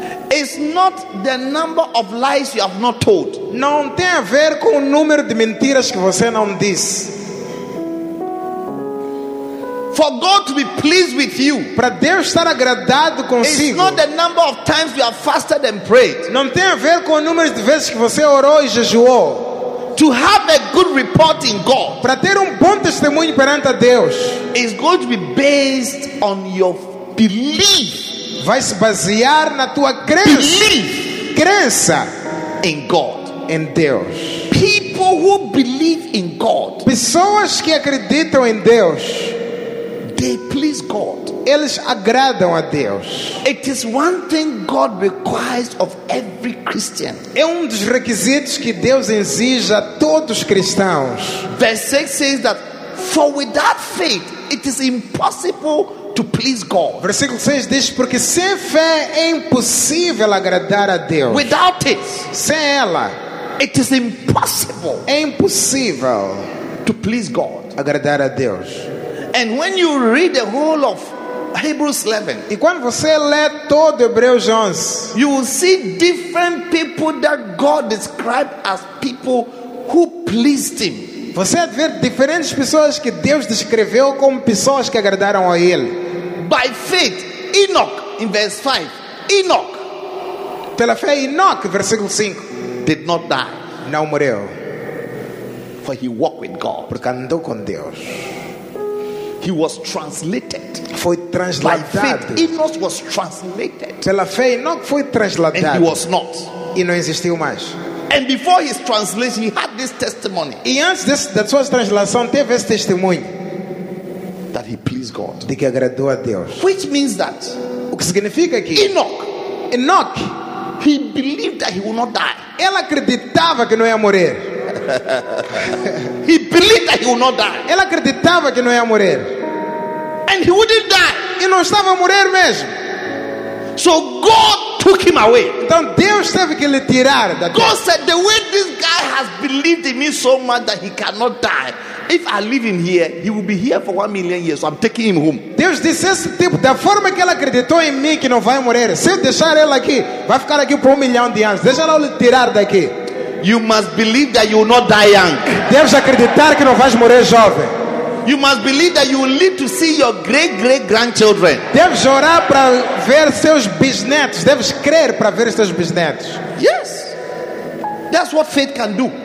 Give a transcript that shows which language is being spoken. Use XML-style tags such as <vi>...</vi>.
<en>It's not the number of lies you have not told.</en> <pt>Não tem a ver com o número de mentiras que você não diz.</pt> <en>For God to be pleased with you,</en> <pt>para Deus estar agradado consigo.</pt> <en>It's not the number of times you have fasted and prayed.</en> <pt>Não tem a ver com o número de vezes que você orou e jejuou.</pt> <en>To have a good report in God,</en> <pt>para ter bom testemunho perante a Deus,</pt> <en>is going to be based on your belief.</en> <pt>Vai se basear na tua crença.</pt> <en>Believe,</en> <pt>crença</pt> <en>in God,</en> <pt>em Deus.</pt> <en>People who believe in God,</en> <pt>pessoas que acreditam em Deus,</pt> <en>they please God,</en> <pt>eles agradam a Deus.</pt> <en>It is one thing God requires of every Christian.</en> <pt>É dos requisitos que Deus exige a todos os cristãos.</pt> <en>Verse 6 says that for without faith it is impossible to please God.</en> <pt>Versículo 6 diz, porque sem fé é impossível agradar a Deus.</pt> <en>Without it,</en> <pt>sem ela,</pt> <en>it is impossible.</en> <pt>É impossível</pt> <en>to please God.</en> <pt>Agradar a Deus.</pt> <en>And when you read the whole of Hebrews 11,</en> <pt>e quando você lê todo Hebreus 11,</pt> <en>you will see different people that God described as people who pleased him.</en> <pt>Você vê diferentes pessoas que Deus descreveu como pessoas que agradaram a Ele.</pt> <en>By faith, Enoch, in verse 5, Enoch,</en> <pt>pela fé, Enoch, versículo 5,</pt> <en>did not die,</en> <pt>não morreu,</pt> <en>for he walked with God,</en> <pt>porque andou com Deus.</pt> <en>He was translated,</en> <pt>foi transladado.</pt> <en>By faith, Enoch was translated,</en> <pt>pela fé, Enoch foi transladado.</pt> <en>And he was not,</en> <pt>e não existiu mais.</pt> <en>And before his translation, he had this testimony.</en> <pt>E antes da sua translação, teve esse testemunho.</pt> <en>That he pleased God.</en> <pt>De que agradou a Deus.</pt> <en>Which means that,</en> <pt>o que significa que</pt> <en>Enoch, he believed that he will not die.</en> <pt>Ele acreditava que não ia morrer.</pt> <en>He believed that he will not die.</en> <pt>Ele acreditava que não ia morrer.</pt> <en>And he wouldn't die.</en> <pt>E não estava a morrer mesmo.</pt> <en>So God took him away.</en> <pt>Então Deus teve que lhe tirar da terra.</pt> <en>God said, the way this guy has believed in me so much that he cannot die. If I leave him here, he will be here for 1,000,000 years. So I'm taking him home.</en> <pt>Deus disse, esse tipo, da forma que ele acreditou em mim que não vai morrer, se eu deixar ele aqui, vai ficar aqui por 1,000,000 de anos. Deixa ele tirar daqui.</pt> <en>You must believe that you will not die young.</en> <pt>Deves acreditar que não vais morrer jovem.</pt> <en>You must believe that you will live to see your great great grandchildren.</en> <pt>Deves orar para ver seus bisnetos. Deves crer para ver seus bisnetos.</pt> <en>Yes. That's what faith can do.</en>